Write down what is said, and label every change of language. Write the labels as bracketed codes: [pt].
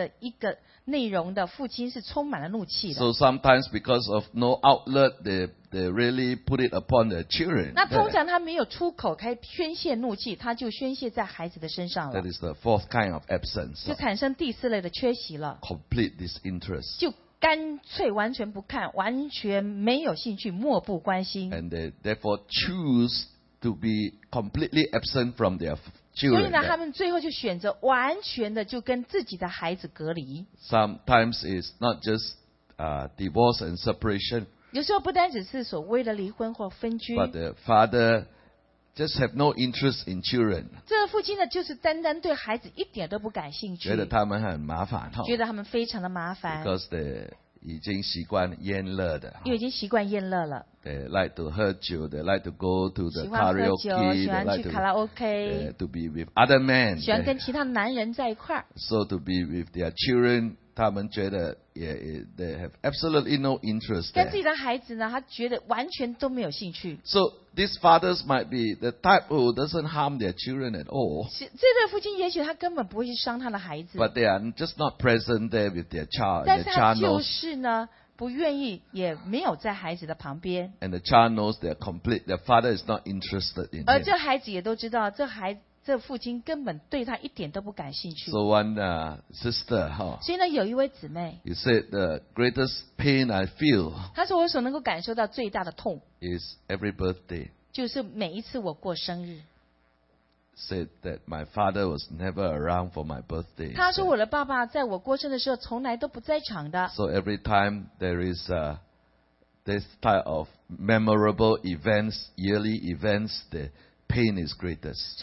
[zh] 这你可以明白吗？大部分呢被判决这样的一个内容的父亲是充满了怒气的。 [en] So sometimes because of no outlet, they really put it upon their children. [zh] 那通常他没有出口可以宣泄怒气，他就宣泄在孩子的身上了。 [en] That is the fourth kind of absence. [zh] 就产生第四类的缺席了。 [en] Complete disinterest. [zh] 就干脆完全不看，完全没有兴趣，漠不关心。 [en] And they therefore choose to be completely absent from their children. Sometimes it's not just divorce and separation. But the father just have no interest in children. [zh] 这父亲呢，就是单单对孩子一点都不感兴趣。觉得他们很麻烦，觉得他们非常的麻烦。 [en] Because they [zh] 已经习惯烟乐的，因为已经习惯烟乐了。 [en] They like to [zh] 喝酒， [en] they like to go to the karaoke, [zh] 喜欢去卡拉OK, [en] to be with other men, [zh] 喜欢跟其他男人在一块。 [en] So to be with their children, [zh] 他们觉得 [en] they have absolutely no interest there. [zh] 跟自己的孩子呢， 他觉得完全都没有兴趣。 [en] So these fathers might be the type who doesn't harm their children at all. [zh] 这对父亲也许他根本不会去伤他的孩子。 [en] But they are just not present there with their child. [zh] 但是他就是呢， 不愿意， 也没有在孩子的旁边。 [en] And the child knows they are complete. Their father is not interested in him. [zh] 而这孩子也都知道， 这父亲根本对他一点都不感兴趣。 [en] So one sister, [zh] 所以呢，有一位姊妹， [en] he said the greatest pain I feel, [zh] 他说我所能够感受到最大的痛， [en] is every birthday, [zh] 就是每一次我过生日。 [en] Said that my father was never around for my birthday. [zh] 他说我的爸爸在我过生的时候从来都不在场的。 [en] So every time there is a this type of memorable events, yearly events, the pain is greatest.